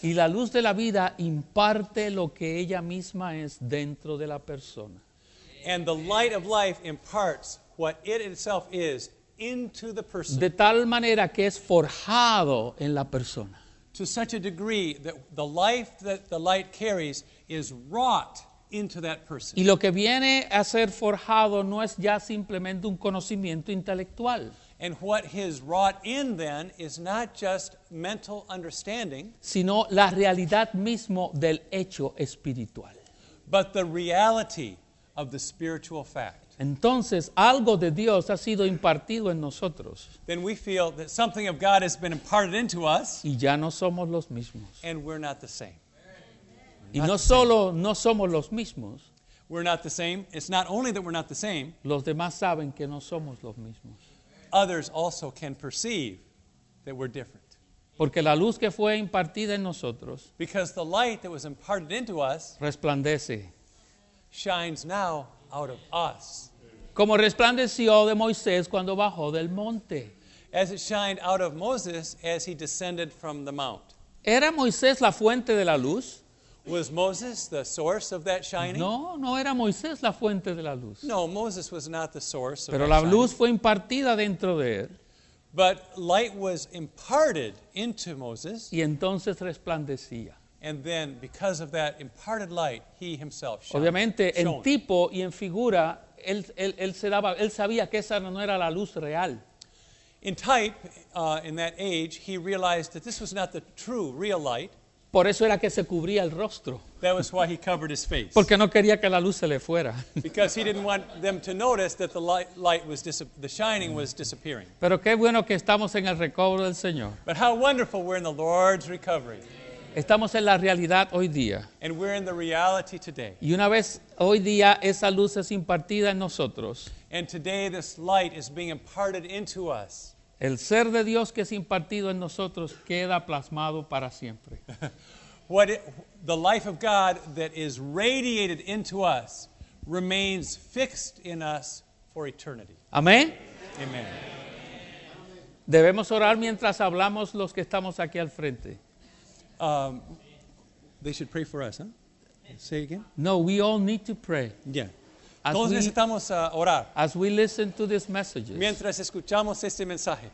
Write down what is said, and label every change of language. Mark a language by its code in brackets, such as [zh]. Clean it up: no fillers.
[es] Y la luz de la vida imparte lo que ella misma es dentro de la persona. [en] And the light of life imparts what it itself is into the person. [es] De tal manera que es forjado en la persona. [en] To such a degree that the life that the light carries is wrought into that person. [es] Y lo que viene a ser forjado no es ya simplemente un conocimiento intelectual. [en] And what is wrought in then is not just mental understanding, [es] sino la realidad mismo del hecho espiritual, [en] but the reality of the spiritual fact. [es] Entonces, algo de Dios ha sido impartido en nosotros. [en] Then we feel that something of God has been imparted into us, [es] y ya no somos los mismos. [en] And we're not the same. [es] Y no solo no somos los mismos. [en] We're not the same. It's not only that we're not the same. [es] Los demás saben que no somos los mismos. [en] Others also can perceive that we're different. [es] Porque la luz que fue impartida en nosotros, [en] because the light that was imparted into us, [es] resplandece, [en] shines now out of us. [es] Como resplandeció de Moisés cuando bajó del monte. [en] As it shined out of Moses as he descended from the mount. [es] ¿Era Moisés la fuente de la luz? [en] Was Moses the source of that shining? [es] No, no era Moisés la fuente de la luz. [en] No, Moses was not the source. [es] Pero [en] of that [es] la luz [en] shining. [es] Fue impartida dentro de él. [en] But light was imparted into Moses. [es] Y entonces resplandecía. [en] And then, because of that imparted light, he himself shone. [es] Obviamente, en tipo y en figura, él se daba, él sabía que esa no era la luz real. [en] In type, in that age, he realized that this was not the true, real light. [es] Por eso era que se cubría el rostro. [en] That was why he covered his face. [es] Porque no quería que la luz se le fuera. [en] Because he didn't want them to notice that the light was the shining was disappearing. [es] Pero qué bueno que estamos en el recobro del Señor. [en] But how wonderful we're in the Lord's recovery. [es] Estamos en la realidad hoy día. [en] And we're in the reality today. [es] Y una vez hoy día esa luz es impartida en nosotros. [en] And today this light is being imparted into us. [es] El ser de Dios que es impartido en nosotros queda plasmado para siempre. [en] The life of God that is radiated into us remains fixed in us for eternity. [es] Amén. [en] Amen. [es] Debemos orar mientras hablamos los que estamos aquí al frente. [en] They should pray for us, huh? Say again. No, we all need to pray. [es] Yeah. Todos necesitamos orar. [en] As we listen to these messages. [es] Mientras escuchamos este mensaje.